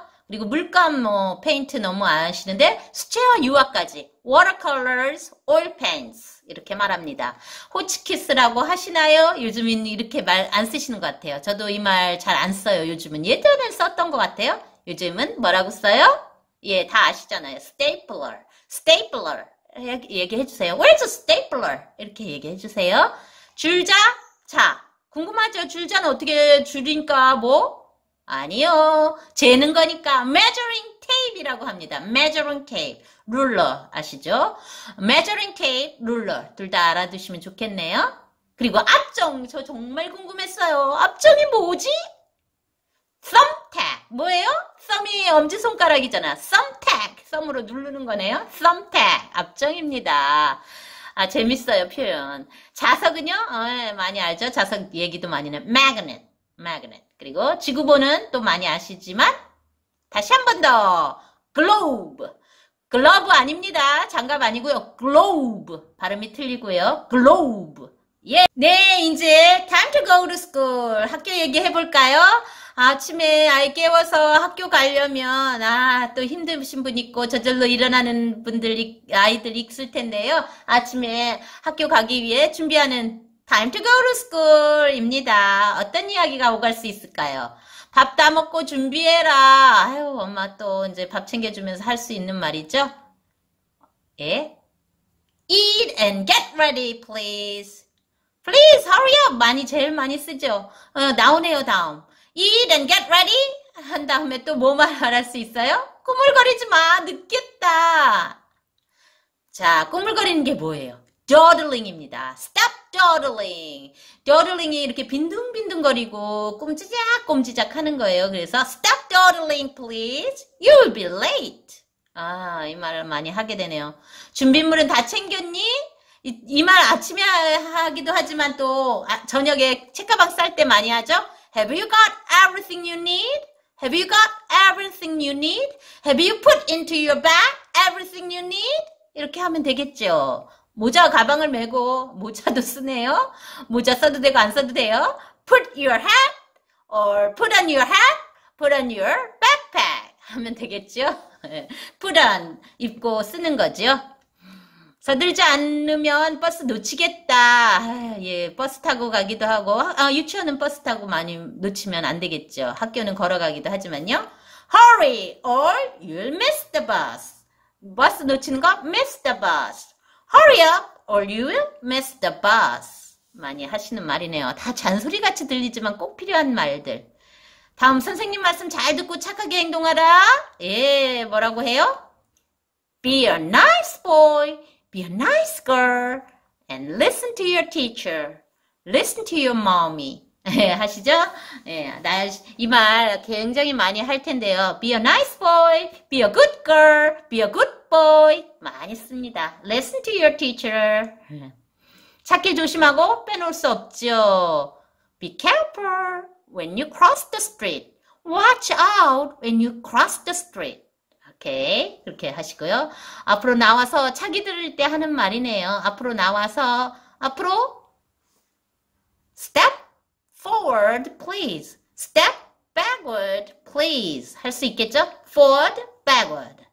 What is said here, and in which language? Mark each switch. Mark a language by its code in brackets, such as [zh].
[ko] 그리고 물감, 뭐 페인트 너무 아시는데 수채화, 유화까지 [en] watercolors, oil paints [ko] 이렇게 말합니다. 호치키스라고 하시나요? 요즘은 이렇게 말 안 쓰시는 것 같아요. 저도 이 말 잘 안 써요. 요즘은, 예전엔 썼던 것 같아요. 요즘은 뭐라고 써요? 예, 다 아시잖아요. [en] stapler, stapler 얘기해주세요. Where's a stapler? [ko] 이렇게 얘기해주세요. 줄자? 자. 궁금하죠? 줄자는 어떻게 줄인까? 뭐? 아니요. 재는 거니까 measuring tape이라고 합니다. [en] measuring tape. 룰러. [ko] 아시죠? [en] measuring tape, 룰러. [ko] 둘 다 알아두시면 좋겠네요. 그리고 압정. 저 정말 궁금했어요. 압정이 뭐지? thumbtack. 뭐예요? thumb이 엄지손가락이잖아. thumbtack. 썸으로 누르는 거네요. 썸택 압정입니다. 아, 재밌어요, 표현. 자석은요? 많이 알죠? 자석 얘기도 많이 해요. 마그넷. 마그넷. 그리고 지구본은 또 많이 아시지만 다시 한 번 더. 글로브. 글러브 아닙니다. 장갑 아니고요. 글로브. 발음이 틀리고요. 글로브. 예. 네, 이제 [en] time to go to school. [ko] 학교 얘기해 볼까요? 아침에 아이 깨워서 학교 가려면 아, 또 힘드신 분 있고 저절로 일어나는 분들이 아이들 있을 텐데요. 아침에 학교 가기 위해 준비하는 [en] time to go to school [ko] 입니다. 어떤 이야기가 오갈 수 있을까요? 밥다 먹고 준비해라. 아유, 엄마 또 이제 밥 챙겨주면서 할수 있는 말이죠? 예? [en] Eat and get ready, please. Please hurry up. [ko] 많이, 제일 많이 쓰죠? 나오네요, 다음. [en] Eat and get ready. [ko] 한 다음에 또뭐 말할 수 있어요? 꾸물거리지 마. 늦겠다. 자, 꾸물거리는 게 뭐예요? [en] Dawdling입니다. Stop. Dawdling. [ko] Dawdling이 이렇게 빈둥빈둥거리고 꼼지작꼼지작 하는 거예요. 그래서 [en] Stop dawdling, please. You'll be late. [ko] 아, 이 말을 많이 하게 되네요. 준비물은 다 챙겼니? 이말 아침에 하기도 하지만 또 저녁에 책가방 쌀때 많이 하죠? [en] Have you got everything you need? Have you got everything you need? Have you put into your bag everything you need? [ko] 이렇게 하면 되겠죠. 모자와 가방을 메고 모자도 쓰네요. 모자 써도 되고 안 써도 돼요. [en] Put your hat or put on your hat, put on your backpack [ko] 하면 되겠죠. [en] Put on [ko] 입고 쓰는 거죠. 서둘지 않으면 버스 놓치겠다. 아, 예, 버스 타고 가기도 하고 유치원은 버스 타고 많이 놓치면 안 되겠죠. 학교는 걸어가기도 하지만요. [en] Hurry or you'll miss the bus. [ko] 버스 놓치는 거 [en] miss the bus. Hurry up or you will miss the bus. [ko] 많이 하시는 말이네요. 다 잔소리 같이 들리지만 꼭 필요한 말들. 다음 선생님 말씀 잘 듣고 착하게 행동하라. 예, 뭐라고 해요? [en] Be a nice boy, be a nice girl, and listen to your teacher, listen to your mommy. [ko] 예, 하시죠? 예, 나이말 굉장히 많이 할 텐데요. [en] Be a nice boy, be a good girl, be a good boy. [ko] 많이 씁니다. [en] Listen to your teacher. [ko] 찾기 조심하고 빼놓을 수 없죠. [en] Be careful when you cross the street. Watch out when you cross the street. 오케이. [ko] 이렇게 하시고요. 앞으로 나와서 차기 들을 때 하는 말이네요. 앞으로 나와서, 앞으로. [en] Step forward, please. Step backward, please. [ko] 할수 있겠죠? [en] Forward, backward.